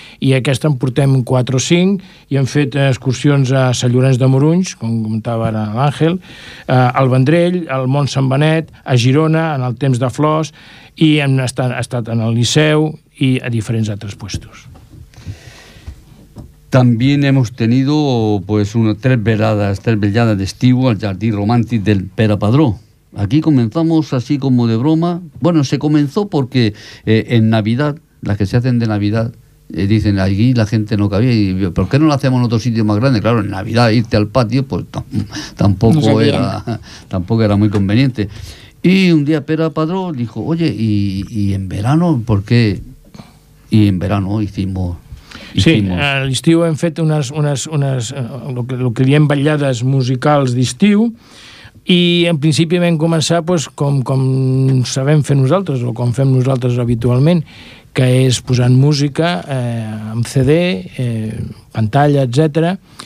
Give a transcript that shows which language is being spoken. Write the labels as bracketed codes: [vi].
[ca] I aquesta en portem 4 o 5, i hem fet excursions a Sant Llorenç de Morunys, com comentava ara l'Àngel, al Vendrell, al Mont Sant Benet, a Girona, en el Temps de Flors, i hem estat en el Liceu i a diferents altres puestos. [es] También hemos tenido pues tres veladas de estivo al Jardín Romántico del Pere Padró. Aquí comenzamos así como de broma. Bueno, se comenzó porque en Navidad, las que se hacen de Navidad, dicen allí la gente no cabía. Y, ¿por qué no lo hacemos en otro sitio más grande? Claro, en Navidad irte al patio pues tampoco era muy conveniente. Y un día Pere Padró dijo, oye, ¿y en verano por qué? Y en verano hicimos... [ca] Sí, a l'estiu hem fet unes el que diem ballades musicals d'estiu, i en principi vam començar pues, com sabem fer nosaltres, o com fem nosaltres habitualment, que és posant música amb CD, pantalla, etc.